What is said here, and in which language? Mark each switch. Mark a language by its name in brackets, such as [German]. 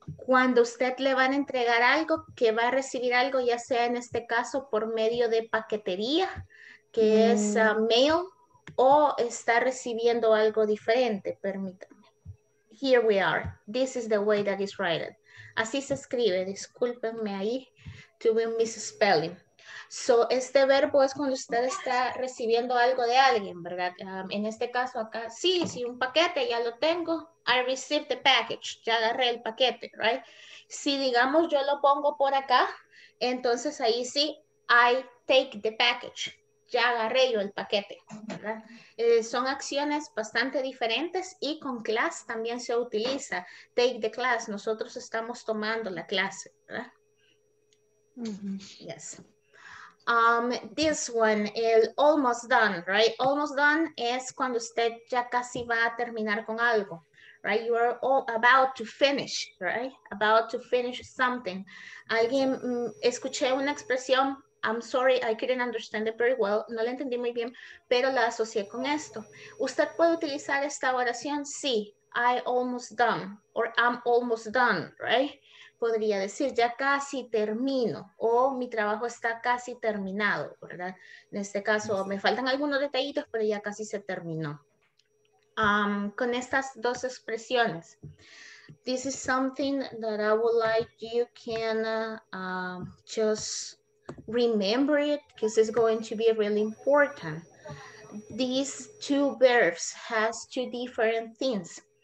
[Spanish] Cuando usted le van a entregar algo, que va a recibir algo, ya sea en este caso por medio de paquetería, que es mail, o está recibiendo algo diferente, permítame. [English] Here we are. This is the way that is written. [Spanish] Así se escribe, discúlpenme ahí, tuve un misspelling. So, este verbo es cuando usted está recibiendo algo de alguien, ¿verdad? En este caso acá, sí, un paquete, ya lo tengo. [English] I received the package, [Spanish] ya agarré el paquete, [English] right? [Spanish] Si digamos yo lo pongo por acá, entonces ahí sí, [English] I take the package, [Spanish] ya agarré yo el paquete, ¿verdad? Son acciones bastante diferentes y con class también se utiliza. [English] Take the class, [Spanish] nosotros estamos tomando la clase, ¿verdad? Yes. [English] This one, [Spanish] el almost done, right? Almost done es cuando usted ya casi va a terminar con algo, right? [English] You are all about to finish, right? About to finish something. [Spanish] Alguien, escuché una expresión, [English] I'm sorry, I couldn't understand it very well, [Spanish] no la entendí muy bien, pero la asocié con esto. ¿Usted puede utilizar esta oración? [English] Sí, I almost done, or I'm almost done, right? [Spanish] Podría decir, ya casi termino, o mi trabajo está casi terminado, ¿verdad? En este caso, me faltan algunos detallitos, pero ya casi se terminó. Con estas dos expresiones, [English] this is something that I would like you can just remember it, because it's going to be really important. These two verbs has two different things.